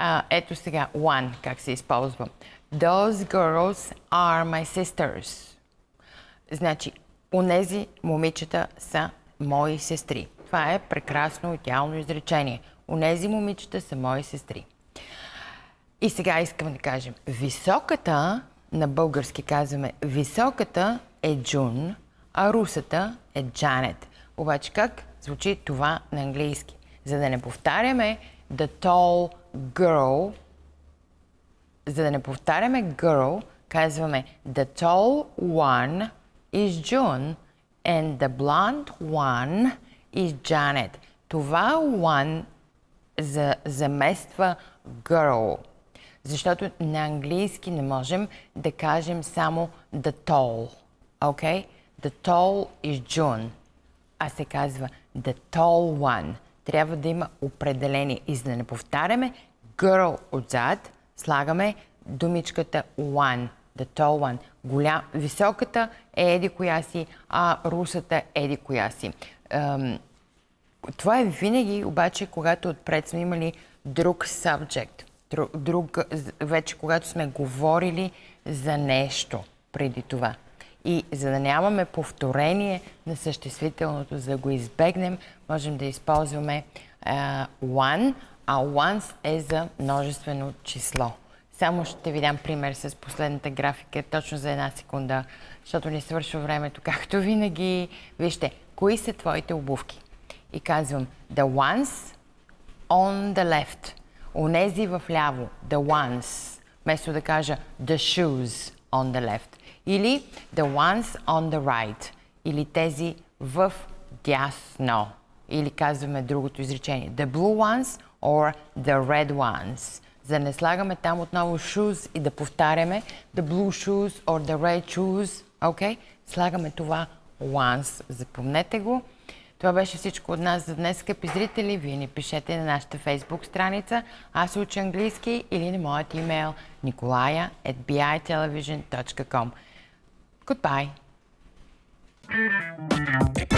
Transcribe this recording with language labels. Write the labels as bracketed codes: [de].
[bg] Ето сега, one, как се използва. [en] Those girls are my sisters. [bg] Значи, онези момичета са мои сестри. Това е прекрасно, идеално изречение. Онези момичета са мои сестри. И сега искам да кажем, високата, на български казваме, високата е Джун, а русата е Джанет. Обаче как? Звучи това на английски. За да не повтаряме [en] the tall girl, [bg] за да не повтаряме [en] girl, [bg] казваме [en] the tall one is June and the blonde one is Janet. [bg] Това one замества girl. Защото на английски не можем да кажем само [en] the tall. Okay? The tall is June. [bg] А се казва [en] the tall one. [bg] трябва да има определени и за да не повтаряме girl отзад, слагаме думичката one, [en] the tall one. [bg] Голям, високата е еди коя си, а русата еди коя си. Това е винаги, обаче, когато отпред сме имали друг subject, друг, вече когато сме говорили за нещо преди това. И за да нямаме повторение на съществителното, за да го избегнем, можем да използваме one, а ones е за множествено число. Само ще ви дам пример с последната графика, точно за една секунда, защото не свършва времето, както винаги. Вижте, кои са твоите обувки? И казвам, [en] the ones on the left. [bg] Онези в ляво, the ones, вместо да кажа [en] the shoes on the left. Или the ones on the right. [bg] Или тези в дясно. Или казваме другото изречение, [en] the blue ones or the red ones. [bg] За да не слагаме там отново shoes и да повтаряме [en] the blue shoes or the red shoes. Okay? [bg] Слагаме това once. Запомнете го. Това беше всичко от нас за днес, скъпи зрители. Вие ни пишете на нашата Facebook страница. Аз уча английски или на моят имейл nikolaya@bitelevision.com. [en] Goodbye!